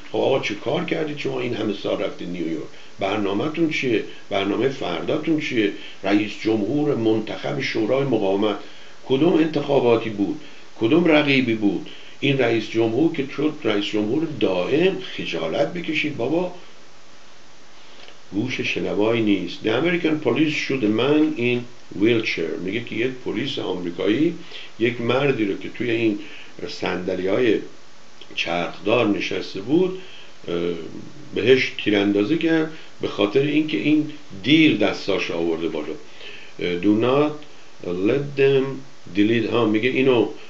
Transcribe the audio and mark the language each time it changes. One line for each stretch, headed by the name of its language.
Persian: خب آقا چه کار کردی شما این همه سال رفتی نیویورک؟ برنامه‌تون چیه؟ برنامه فرداتون چیه؟ رئیس جمهور منتخب شورای مقاومت کدوم انتخاباتی بود؟ کدوم رقیبی بود؟ این رئیس جمهور که چون رئیس جمهور دائم خجالت بکشید بابا، گوش شنوایی نیست.
English: The American police shoot a man in wheelchair.
Persian: میگه که یک پلیس آمریکایی یک مردی رو که توی این صندلی‌های چرخدار نشسته بود بهش تیراندازی کرد به خاطر اینکه این دیر دستاش آورده بالا.
English: Do not let them delete.
Persian: ها میگه اینو